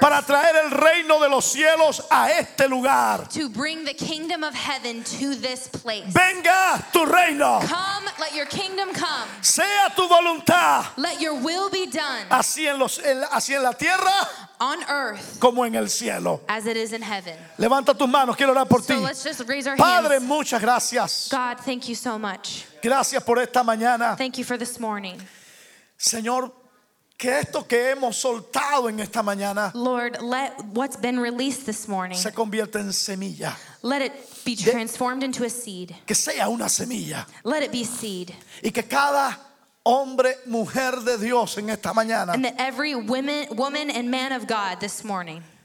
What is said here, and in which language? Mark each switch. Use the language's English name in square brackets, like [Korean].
[Spanish] Para traer el reino de los cielos a este lugar. [English] To bring the kingdom of heaven to this place. [Spanish] Venga tu reino. [English] Come, let your kingdom come. [Spanish] Sea tu voluntad. [English] Let your will be done. [Spanish] Así en los, así en la tierra. [English] On earth. [Spanish] Como en el cielo. [English] As it is in heaven. [Spanish] Levanta tus manos, quiero orar por ti. [English] So let's just raise our [Spanish] Padre, [English] hands. [Spanish] Muchas gracias. [English] God, thank you so much. [Spanish] Gracias por esta mañana. [English] Thank you for this morning. [Spanish] Señor, que esto que hemos soltado en esta mañana. [English] Lord, let what's been released this morning. [Spanish] Se convierta en semilla. [English] Let it be transformed into a seed. [Spanish] Que sea una semilla. [English] Let it be seed. [Spanish] Y que cada hombre, mujer de Dios en esta mañana. [English] And that every woman and man of God this morning.